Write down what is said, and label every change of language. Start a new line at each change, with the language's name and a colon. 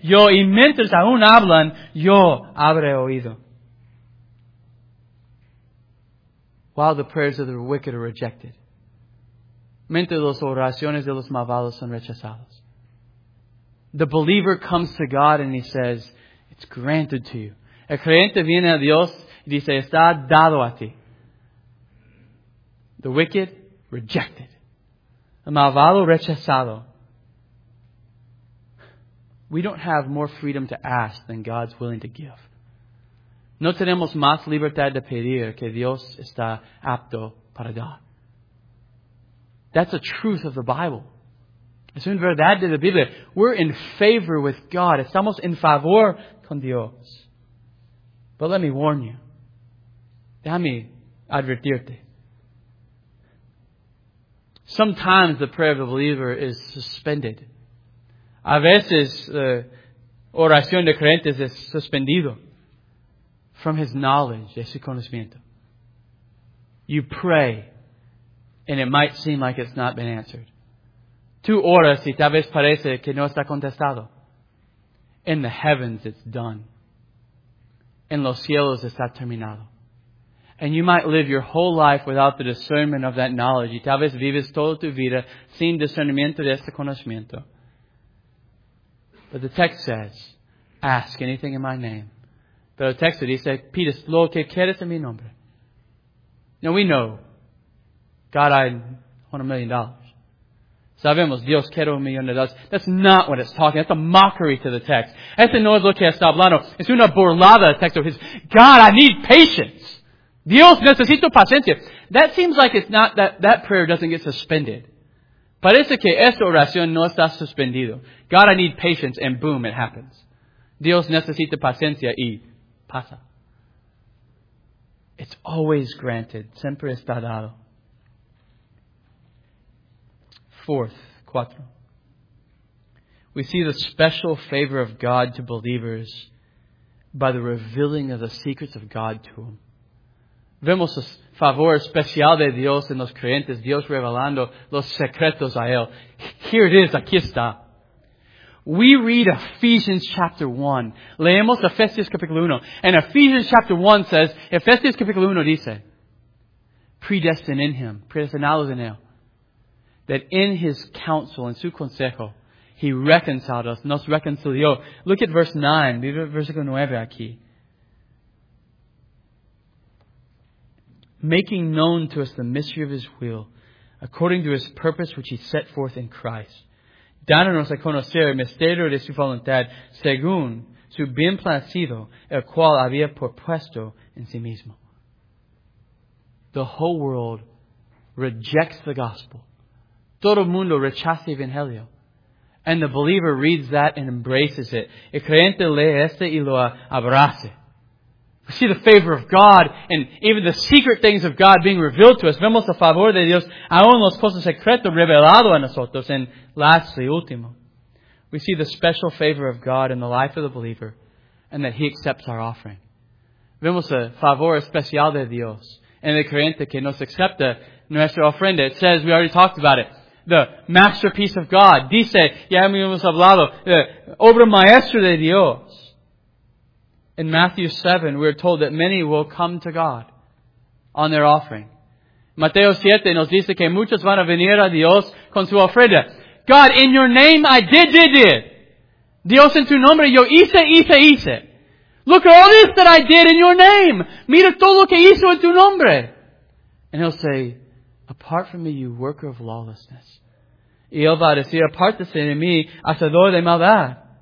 Spanish: Yo, y mientras aún hablan, yo habré oído.
English: While the prayers of the wicked are rejected.
Spanish: Mientras las oraciones de los malvados son rechazadas.
English: The believer comes to God and he says, it's granted to you.
Spanish: El creyente viene a Dios y dice, está dado a ti.
English: The wicked, rejected.
Spanish: El malvado, rechazado.
English: We don't have more freedom to ask than God's willing to give.
Spanish: No tenemos más libertad de pedir que Dios está apto para dar.
English: That's a truth of the Bible.
Spanish: Es una verdad de la Biblia.
English: We're in favor with God.
Spanish: Estamos en favor con Dios.
English: But let me warn you.
Spanish: Déjame advertirte.
English: Sometimes the prayer of the believer is suspended.
Spanish: A veces la oración de creyentes es suspendido
English: from his knowledge,
Spanish: de su conocimiento.
English: You pray. And it might seem like it's not been answered.
Spanish: Tú oras y tal vez parece que no está contestado.
English: In the heavens it's done.
Spanish: En los cielos está terminado.
English: And you might live your whole life without the discernment of that knowledge.
Spanish: Y tal vez vives toda tu vida sin discernimiento de este conocimiento.
English: But the text says, ask anything in my name.
Spanish: Pero el texto dice, pides lo que quieres en mi nombre.
English: Now we know, God, I want $1 million.
Spanish: Sabemos, Dios, quiero $1 million.
English: That's not what it's talking. That's a mockery to the text.
Spanish: Ese no es lo que está hablando. Es una burlada del texto.
English: It's, God, I need patience.
Spanish: Dios, necesito paciencia.
English: That seems like it's not that prayer doesn't get suspended.
Spanish: Parece que esta oración no está suspendido.
English: God, I need patience, and boom, it happens.
Spanish: Dios, necesito paciencia, y pasa.
English: It's always granted.
Spanish: Siempre está dado.
English: Fourth,
Spanish: cuatro.
English: We see the special favor of God to believers by the revealing of the secrets of God to them.
Spanish: Vemos el favor especial de Dios en los creyentes, Dios revelando los secretos a él.
English: Here it is,
Spanish: aquí está.
English: We read Ephesians chapter 1.
Spanish: Leemos Efesios capítulo 1.
English: And Ephesians chapter 1 says,
Spanish: Efesios capítulo 1 dice,
English: predestined in him,
Spanish: predestinados en él,
English: that in his counsel,
Spanish: in su consejo,
English: he reconciled us,
Spanish: nos reconcilió.
English: Look at verse 9,
Spanish: versículo 9 aquí.
English: Making known to us the mystery of his will, according to his purpose which he set forth in Christ.
Spanish: Dándonos a conocer el misterio de su voluntad, según su bien placido, el cual había propuesto en sí mismo.
English: The whole world rejects the gospel.
Spanish: Todo el mundo rechaza el evangelio.
English: And the believer reads that and embraces it.
Spanish: El creyente lee este y lo abraza.
English: We see the favor of God and even the secret things of God being revealed to us.
Spanish: Vemos el favor de Dios aún los cosas secretos revelado a nosotros.
English: And lastly,
Spanish: último,
English: we see the special favor of God in the life of the believer and that He accepts our offering.
Spanish: Vemos el favor especial de Dios en el creyente que nos acepta nuestra ofrenda.
English: It says, we already talked about it, the masterpiece of God.
Spanish: Dice, ya hemos hablado, the obra maestra de Dios.
English: In Matthew 7, we are told that many will come to God on their offering.
Spanish: Mateo 7 nos dice que muchos van a venir a Dios con su ofrenda.
English: God, in your name, I did.
Spanish: Dios, en tu nombre, yo hice.
English: Look at all this that I did in your name.
Spanish: Mira todo lo que hizo en tu nombre.
English: And he'll say, apart from me, you worker of lawlessness.
Spanish: Y él va a decir, apartese de mí, hacedor de maldad.